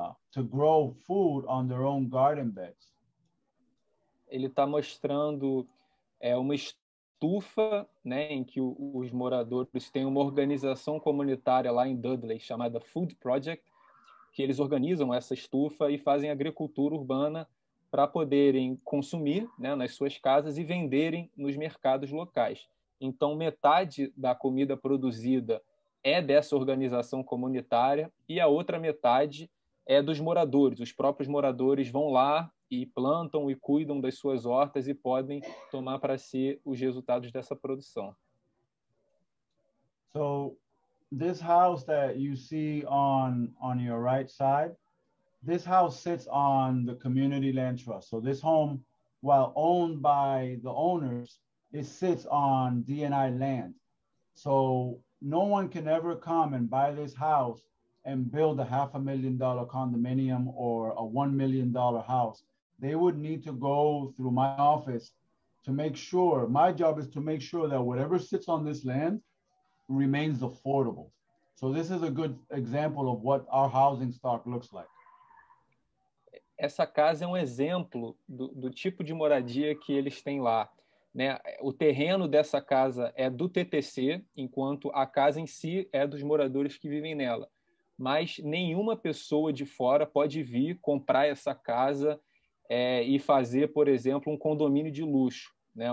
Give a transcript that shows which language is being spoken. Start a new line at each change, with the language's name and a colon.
English: to grow food on their own garden beds.
Portuguese: Ele está mostrando uma estufa, né, em que os moradores têm uma organização comunitária lá em Dudley chamada Food Project, que eles organizam essa estufa e fazem agricultura urbana para poderem consumir, né, nas suas casas e venderem nos mercados locais. Então, metade da comida produzida é dessa organização comunitária e a outra metade é dos moradores. Os próprios moradores vão lá e plantam e cuidam das suas hortas e podem tomar para si os resultados dessa produção.
English: So, this house that you see on your right side, this house sits on the community land trust. So this home, while owned by the owners, it sits on DNI land. So no one can ever come and buy this house and build a $500,000 condominium or a $1 million house. They would need to go through my office to make sure, my job is to make sure that whatever sits on this land remains affordable. So this is a good example of what our housing stock looks like.
Portuguese: Essa casa é um exemplo do tipo de moradia que eles têm lá, né? O terreno dessa casa é do TTC, enquanto a casa em si é dos moradores que vivem nela. Mas nenhuma pessoa de fora pode vir comprar essa casa e fazer, por exemplo, um condomínio de luxo, né?